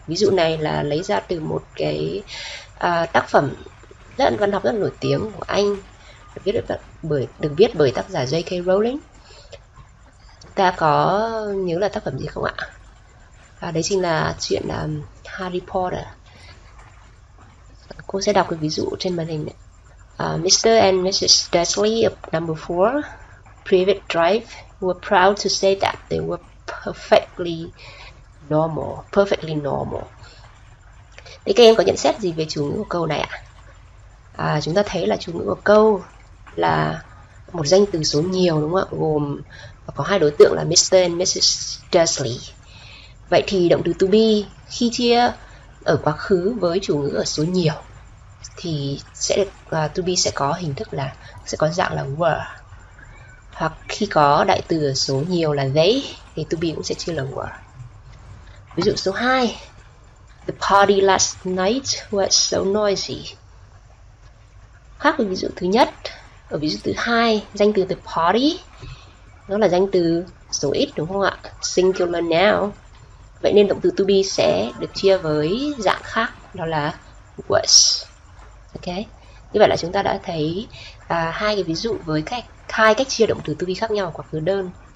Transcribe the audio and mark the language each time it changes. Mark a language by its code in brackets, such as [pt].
[vi] Ví dụ này là lấy ra từ một cái tác phẩm rất văn học rất nổi tiếng của Anh, được viết bởi tác giả J.K. Rowling. Ta có nhớ là tác phẩm gì không ạ? Đấy chính là chuyện Harry Potter. Cô sẽ đọc cái ví dụ trên màn hình này. [en] Mr. and Mrs. Dursley of number 4, Privet Drive, were proud to say that they were perfectly normal. Perfectly normal. [vi] Thế các em có nhận xét gì về chủ ngữ của câu này ạ? Chúng ta thấy là chủ ngữ của câu là một danh từ số nhiều, đúng không ạ? Gồm có hai đối tượng là Mr. and Mrs. Dursley. Vậy thì động từ to be khi chia ở quá khứ với chủ ngữ ở số nhiều thì sẽ được, to be sẽ có hình thức là sẽ có dạng là were, hoặc khi có đại từ ở số nhiều là they thì to be cũng sẽ chia là were. Ví dụ số 2, [en] the party last night was so noisy. [vi] Khác với ví dụ thứ nhất, ở ví dụ thứ hai danh từ the party nó là danh từ số ít, đúng không ạ? [en] Singular noun. [vi] Vậy nên động từ to be sẽ được chia với dạng khác, đó là was. Ok, như vậy là chúng ta đã thấy hai cái ví dụ với hai cách chia động từ to be khác nhau ở quá khứ đơn.